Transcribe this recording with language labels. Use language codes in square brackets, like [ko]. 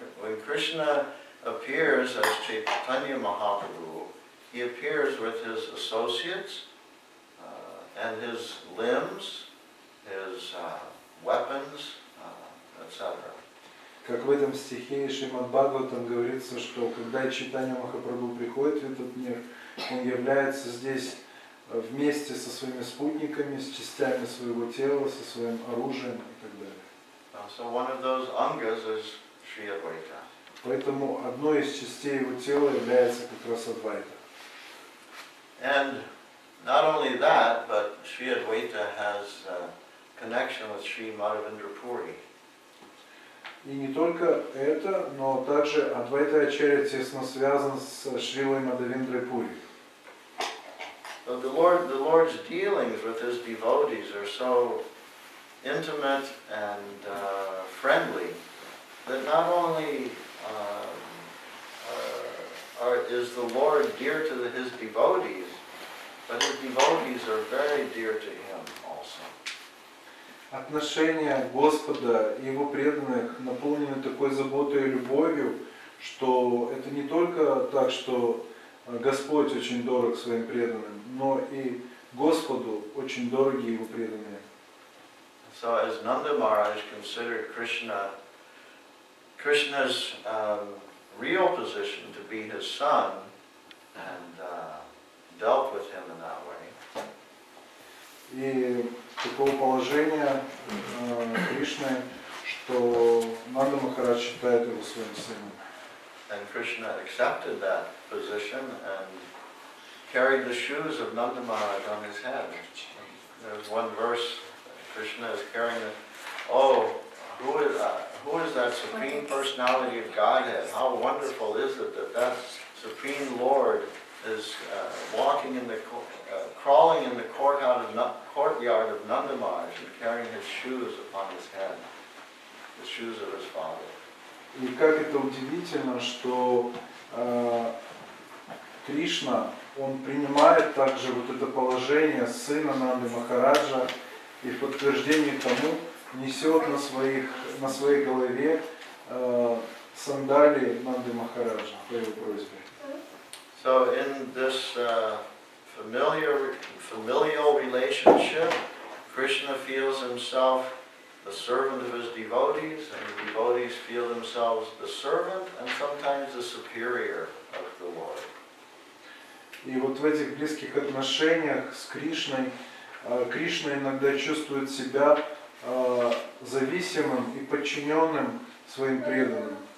[en] When Krishna appears as Chaitanya Mahaprabhu, he appears with his associates and his limbs, his weapons, etc. [ru] Как в этом стихе Шримад Бхагаватам говорится, что когда Чайтанья Махапрабху приходит в этот мир, он является здесь вместе со своими спутниками, с частями своего тела, со своим оружием и так далее. [en] So one of those angas is Sri Advaita. [ru] Поэтому одной из частей его тела является как раз Адвайта. [en] And not only that, but Sri Advaita has a connection with Sri Madhavendra Puri. [ru] И не только это, но также Адвайта Ачарья тесно связан с Шрилой Мадхавендрой Пури. [en] The Lord's dealings with his devotees are so intimate and friendly that not only is the Lord dear to his devotees, but his devotees are very dear to him also. [ru] Отношения Господа и его преданных наполнены такой заботой и любовью, что это не только так, что Господь очень дорог своим преданным, но и Господу очень дороги его преданные. [en] So as Nanda Maharaj considered Krishna's real position to be his son and dealt with him in that way. [ru] И такого положения Кришны, что Нанда Махарадж считает его своим сыном. [en] And Krishna accepted that position and carried the shoes of Nanda Maharaj on his head. There's one verse, Krishna is carrying the, who is that Supreme Personality of Godhead? How wonderful is it that Supreme Lord is walking in the, crawling in the courtyard of Nanda Maharaj and carrying his shoes upon his head, the shoes of his father. [ru] И как это удивительно, что Кришна, он принимает также вот это положение сына Нанды Махараджа и в подтверждение тому несет на своей голове сандалии Нанды Махараджа по его просьбе. [en] So in this familial relationship, Krishna feels himself the servant of his devotees, and the devotees feel themselves the servant and sometimes the superior of the Lord. [ru] И вот в этих близких отношениях с Кришной, Кришна иногда чувствует себя зависимым и подчиненным своим преданным.